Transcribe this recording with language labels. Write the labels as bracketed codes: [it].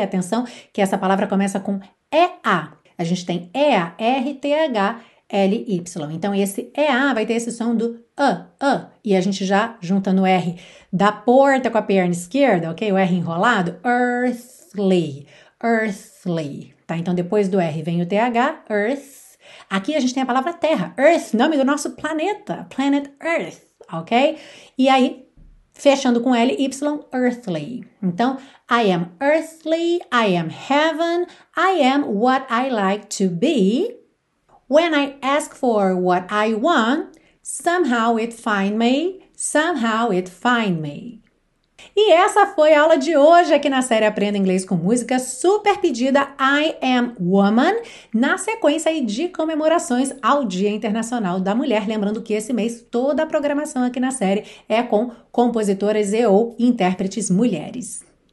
[pt] Atenção que essa palavra começa com E-A. A gente tem E-A, R-T-H-L-Y. Então, esse E-A vai ter esse som do E a gente já junta no R da porta com a perna esquerda, ok? O R enrolado, earthly, earthly. Tá, então depois do R vem o TH, Earth. Aqui a gente tem a palavra Terra, Earth, nome do nosso planeta, Planet Earth, ok? E aí, fechando com L, Y, Earthly. [en] Então, I am earthly, I am heaven, I am what I like to be. When I ask for what I want, somehow it find me, somehow it find me. [pt] E essa foi a aula de hoje aqui na série Aprenda Inglês com Música, super pedida I Am Woman, na sequência aí de comemorações ao Dia Internacional da Mulher. Lembrando que esse mês toda a programação aqui na série é com compositoras e ou intérpretes mulheres.